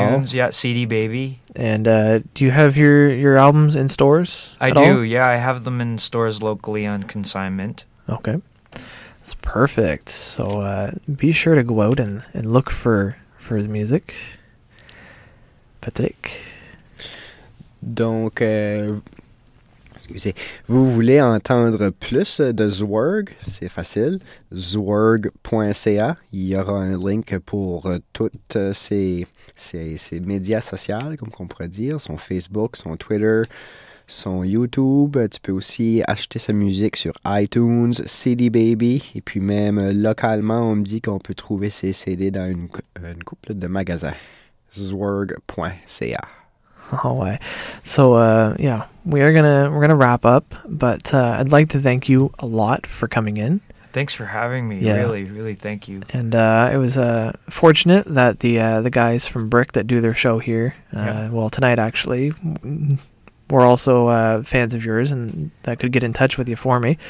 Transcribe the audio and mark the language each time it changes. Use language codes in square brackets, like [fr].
[en] iTunes, yeah, CD Baby. And do you have your albums in stores? I do, yeah. I have them in stores locally on consignment. Okay. That's perfect. So be sure to go out and look for the music. Patrick? [fr] Donc, excusez, vous voulez entendre plus de Zwerg? C'est facile. Zwerg.ca. Il y aura un link pour toutes ces médias sociaux, comme on pourrait dire, son Facebook, son Twitter, son YouTube. Tu peux aussi acheter sa musique sur iTunes, CD Baby, et puis même localement, on me dit qu'on peut trouver ses CD dans une couple de magasins. Zwerg.ca. [en] All right. So, yeah, we're gonna wrap up, but I'd like to thank you a lot for coming in. Thanks for having me. Yeah. Really, really thank you. And it was fortunate that the guys from Brick that do their show here, well, tonight actually, were also fans of yours and that could get in touch with you for me.